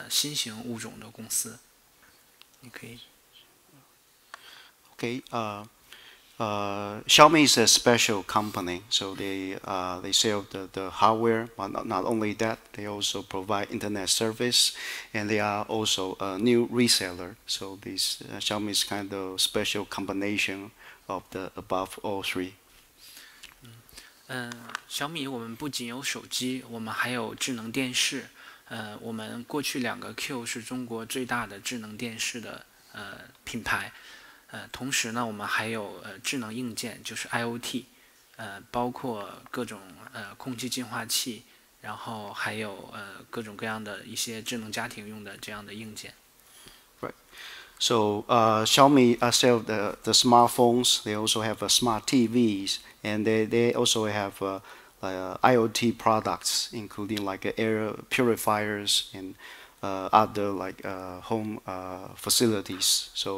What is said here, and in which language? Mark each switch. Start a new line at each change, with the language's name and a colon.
Chinese: 就是每一位介绍一下自己公司啊，自己公司的这个产品，还有对于你们的这个用户，你们服务哪些东西？从David开始。好，大家好，我来自小米。小米是一家以硬件为基础，同时我们提供了互联网服务和新零售三者结合一起的一个新型物种的公司。你可以。
English: Okay, Xiaomi is a special company, so they sell the hardware, but not only that, they also provide internet service, and they are also a new reseller. So this Xiaomi is kind of special combination of the above all three.
Chinese: 小米我们不仅有手机，我们还有智能电视。我们过去两个 Q 是中国最大的智能电视的品牌。同时呢，我们还有智能硬件，就是 IOT， 包括各种空气净化器，然后还有各种各样的一些智能家庭用的这样的硬件。
English: Right. So, Xiaomi sell the smartphones. They also have smart TVs, and they also have IOT products, including like air purifiers and other like home facilities.